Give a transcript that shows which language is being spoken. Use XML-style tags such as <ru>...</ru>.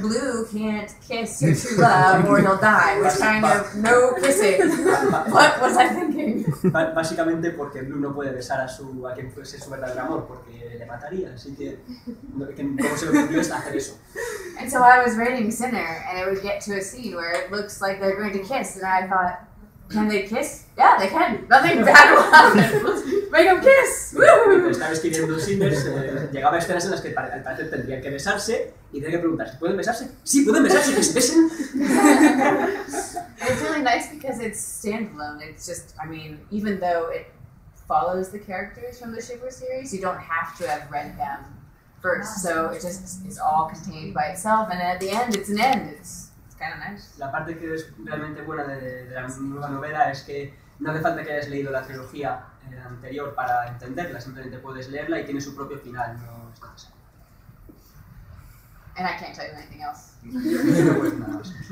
<en>Blue can't kiss your true love or he'll die, which kind of no kissing. What was I thinking?</en> <es>Básicamente porque Blue no puede besar a quien fuese su verdadero amor porque le mataría, así que cómo se lo ocurrió es hacer eso.</es> <en>And so I was writing Sinner, and it would get to a scene where it looks like they're going to kiss, and I thought, can they kiss? Yeah, they can. Nothing bad will happen. Let's make them kiss.</en> <es>Estaba escribiendo Sinner, llegaba a escenas en las que al parecer tendrían que besarse, y tenía que preguntar, ¿pueden besarse? Sí, pueden besarse, que se besen.</es> <en>It's really nice because it's standalone. It's just, I mean, even though it follows the characters from the Shiver series, you don't have to have read them first, so it just is all contained by itself, and at the end, it's an end. It's kind of nice.</en> <es>La parte que es realmente buena de la nueva novela es que no hace falta que hayas leído la trilogía anterior para entenderla. Simplemente puedes leerla y tiene su propio final. No es necesario.</es> <en>And I can't tell you anything else.</en> <es>No puedes nada más.</es>